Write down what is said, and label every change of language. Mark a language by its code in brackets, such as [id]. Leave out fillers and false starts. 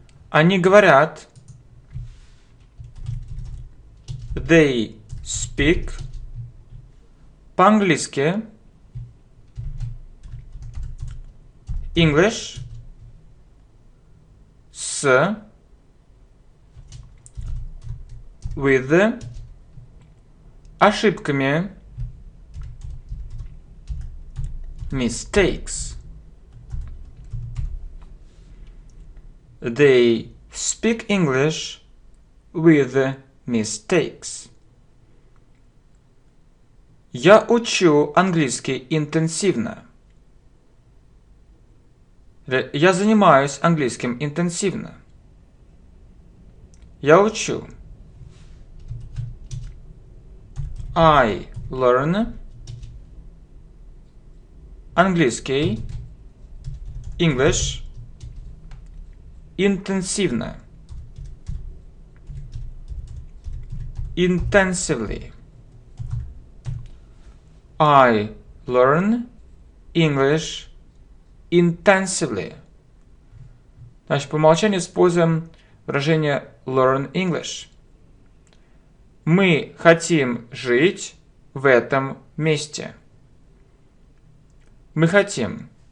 [ru] Они говорят, [en] they speak [ru] по-английски, [en] English [ru] с [en] with [ru] ошибками, [en] mistakes. They speak English with mistakes. [ru] Я учу английский интенсивно. Я занимаюсь английским интенсивно. Я учу. [en] I learn [ru] английский, [en] English, [ru] интенсивно, [en] intensively. I learn English intensively. [ru] Значит, по умолчанию используем выражение [en] learn English. [ru] Мы хотим жить в этом месте. Мы хотим.